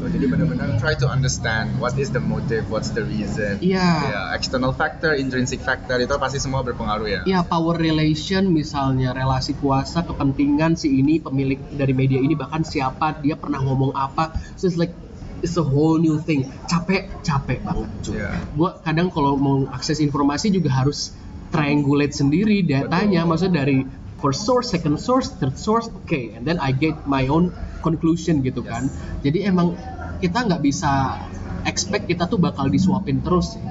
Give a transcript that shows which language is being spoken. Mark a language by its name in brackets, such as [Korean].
[Indonesian] Jadi benar-benar [English] try to understand what is the motive, what's the reason. External factor, intrinsic factor, [Indonesian] itu pasti semua berpengaruh ya. [English] Power relation [Indonesian] misalnya, relasi kuasa, kepentingan si ini, pemilik dari media ini, bahkan siapa dia pernah ngomong apa. [English] So it's like it's a whole new thing. [Indonesian] Capek banget cuy. Gua kadang kalau mau akses informasi juga harus triangulate sendiri datanya. Betul. Maksudnya dari [English] first source, second source, third source, okay, and then I get my own conclusion [Indonesian] gitu kan. Jadi emang kita nggak bisa expect kita tuh bakal disuapin terus.